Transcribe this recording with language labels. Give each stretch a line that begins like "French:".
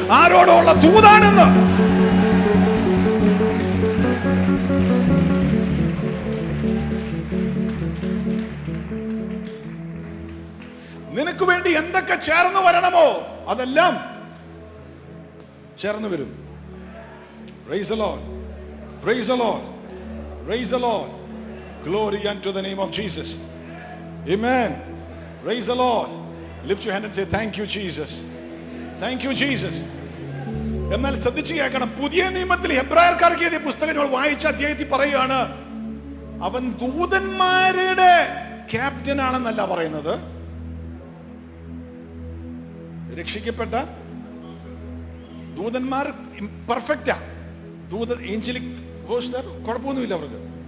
Malayalam: ആരോടുള്ള ദൂതാണെന്ന് നിനക്ക് വേണ്ടി എന്തൊക്കെ ചേർന്ന് വരണമോ അതെല്ലാം ചേർന്ന് വരും.
English: Praise the Lord, praise the Lord, praise the Lord. Glory to the name of Jesus. Amen. Praise the Lord. Lift your hand and say, thank you Jesus. Thank you Jesus.
Malayalam: എന്നാൽ ശ്രദ്ധിച്ചു കേൾക്കണം, പുതിയ നിയമത്തിൽ ഹെബ്രായർക്കാർക്ക് എഴുതിയ പുസ്തകം നമ്മൾ വായിച്ച അധ്യായത്തിൽ പറയുകയാണ്, അവൻ ദൂതന്മാരുടെ ക്യാപ്റ്റൻ ആണെന്നല്ല പറയുന്നത്, രക്ഷിക്കപ്പെട്ട ദൂതന്മാർ പെർഫെക്റ്റാ, ദൂത ഏഞ്ചലിക് ഹോസ്റ്റർ കുഴപ്പമൊന്നുമില്ല അവർക്ക്.